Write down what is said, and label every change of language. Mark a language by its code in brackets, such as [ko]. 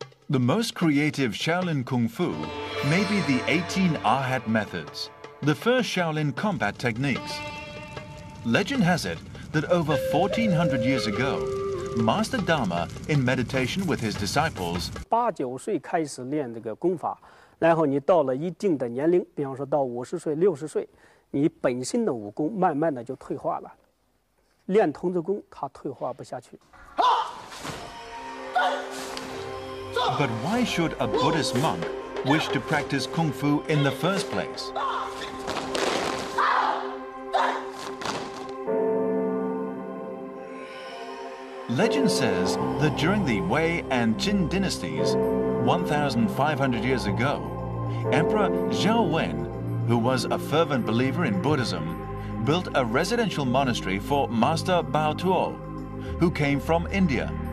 [en] The most creative Shaolin Kung Fu may be the 18 Arhat methods, the first Shaolin combat techniques. Legend has it that over 1400 years ago, Master Dharma, in meditation with his disciples, [zh] 8、9岁开始练这个功法，然后你到了一定的年龄，比方说到50岁、60岁，你本身的武功慢慢的就退化了，练童子功它退化不下去。 [en] But why should a Buddhist monk wish to practice kung fu in the first place? Legend says that during the Wei and Qin dynasties, 1,500 years ago, Emperor Zhao Wen, who was a fervent believer in Buddhism, built a residential monastery for Master Bao Tuo, who came from India.